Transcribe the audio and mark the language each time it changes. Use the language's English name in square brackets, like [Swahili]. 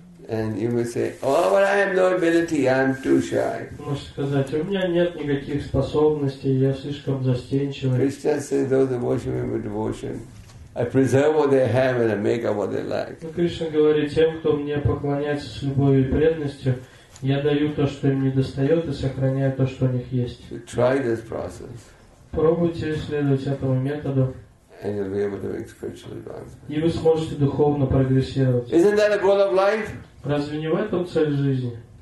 [English] And you may say, "Oh, but I have no ability. I'm too shy." [Russian] Можешь сказать, у меня нет никаких способностей. Я слишком застенчивый. [English] Krishna says, "Those devotees with devotion, I preserve what they have and I make up what they lack." [Russian] Но Кришна говорит тем, кто мне поклоняется с любовью и преданностью, я даю то, что им недостает, и сохраняю то, что у них есть. [English] Try this process. [Russian] Пробуйте следовать этому методу. [English] And you'll be able to make spiritual advancement. [Russian] И вы сможете духовно прогрессировать. [English] Isn't that a goal of life? [Russian] Разве не в этом цель жизни?